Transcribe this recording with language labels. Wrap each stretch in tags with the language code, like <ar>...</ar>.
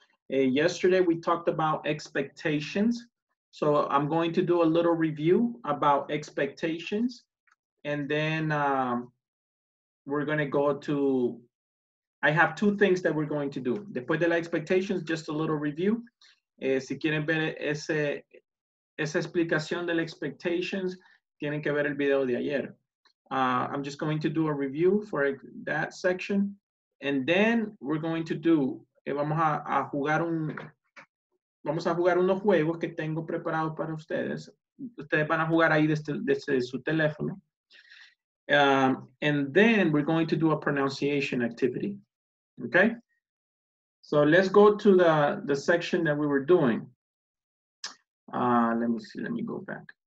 <en>Yesterday we talked about expectations. So I'm going to do a little review about expectations. And then we're going to go to, I have two things that we're going to do.</en> <es>Después de la</es> <en>expectations, just a little review.</en> <es>Si quieren ver esa explicación de la expectations, tienen que ver el video de ayer.</es> <en>I'm just going to do a review for that section. And then we're going to do,</en> <es>vamos a jugar unos juegos que tengo preparados para ustedes. Ustedes van a jugar ahí desde su teléfono.</es> <en>And then we're going to do a pronunciation activity. Okay? So let's go to the section that we were doing. Let me see, let me go back.</en>